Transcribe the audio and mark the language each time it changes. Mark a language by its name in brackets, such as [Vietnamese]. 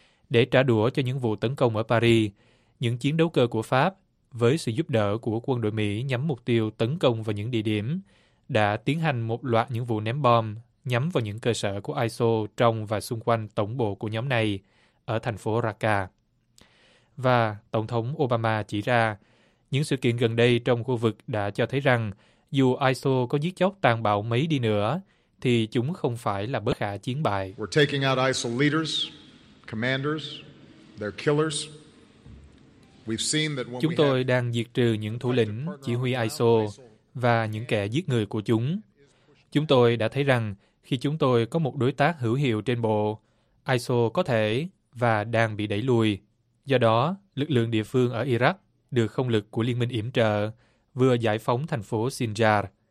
[Vietnamese] Để trả đũa cho những vụ tấn công ở Paris, những chiến đấu cơ của Pháp với sự giúp đỡ của quân đội Mỹ nhắm mục tiêu tấn công vào những địa điểm đã tiến hành một loạt những vụ ném bom nhắm vào những cơ sở của ISIL trong và xung quanh tổng bộ của nhóm này ở thành phố Raqqa. Và Tổng thống Obama chỉ ra, những sự kiện gần đây trong khu vực đã cho thấy rằng dù ISIL có giết chóc tàn bạo mấy đi nữa, thì chúng không phải là bất khả chiến bại. [English] We're taking out ISIL leaders, commanders, their killers. We've seen that when [Vietnamese] chúng tôi đang diệt trừ những thủ lĩnh, chỉ huy ISIL và những kẻ giết người của chúng. Chúng tôi đã thấy rằng khi chúng tôi có một đối tác hữu hiệu trên bộ, ISIL có thể và đang bị đẩy lùi. Do đó, lực lượng địa phương ở Iraq được không lực của liên minh yểm trợ vừa giải phóng thành phố Sinjar.